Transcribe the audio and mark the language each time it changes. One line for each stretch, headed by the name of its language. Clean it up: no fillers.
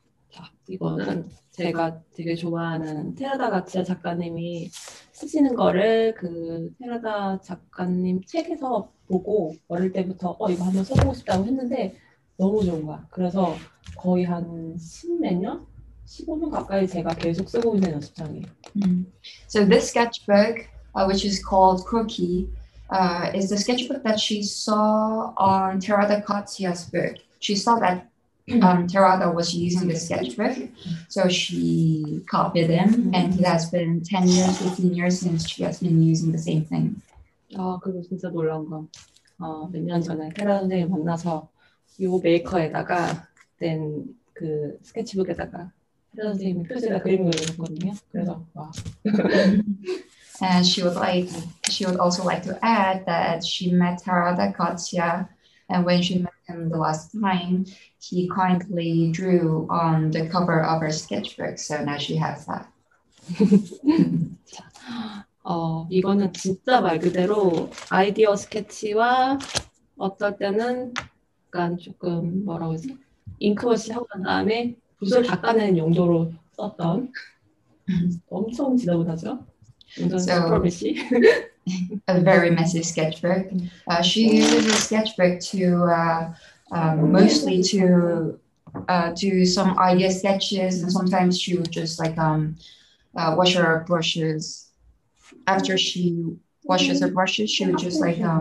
Korean: 자, 이거는 제가 되게 좋아하는 테라다 가츠야 작가님이 쓰시는 거를 그 테라다 작가님 책에서 보고 어릴 때부터 이거 한번 써보고 싶다고 했는데 너무 좋은 거야. 그래서 거의 한 10몇 년? 15년 가까이 제가 계속 쓰고 있는 연습장이에요.
English: So this sketchbook, which is called Cookie, is the sketchbook that she saw on Terada Katsuya's book. She saw that Terada was using the sketchbook, so she copied him, and it has been 10 years, 15 years since she has been using the same thing.
Korean: 아, 그거 진짜 놀라운 거. 몇 년 전에 테라다 선생님 만나서 이 메이커에다가 된 그 스케치북에다가 테라다 선생님이 표지에다 그림을 그렸거든요. 그래서 와.
English: And she would also like to add that she met Terada Katsuya, and when she met him the last time, he kindly drew on the cover of her sketchbook. So now she has that.
Korean: 이거는 진짜 말 그대로 아이디어 스케치와 어떨 때는 약간 조금 뭐라고 해야 되지? 잉크워시 하고 난 다음에 붓을 닦아내는 용도로 썼던 엄청 지저분하죠?
English: So, a very messy sketchbook. She uses a sketchbook to mostly to do some idea sketches, and sometimes she would just like wash her brushes. After she washes her brushes, she would just like